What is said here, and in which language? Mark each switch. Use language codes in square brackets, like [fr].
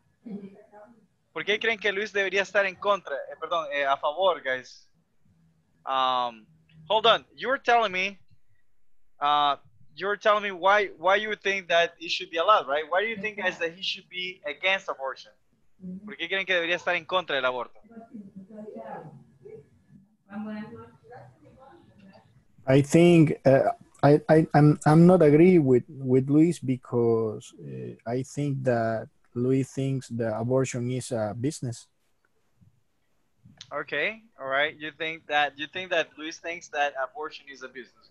[es] ¿Por qué creen que Luis debería estar en contra? A favor, [en] guys. Hold on. You were telling me why you think that it should be allowed, right? Why do you think, guys, that he should be against abortion? [es] ¿Por qué creen que debería estar en contra del aborto? [en] I think I'm not agree with Luis because I think that Luis thinks the abortion is a business. Okay, all right. You think that Luis thinks that abortion is a business?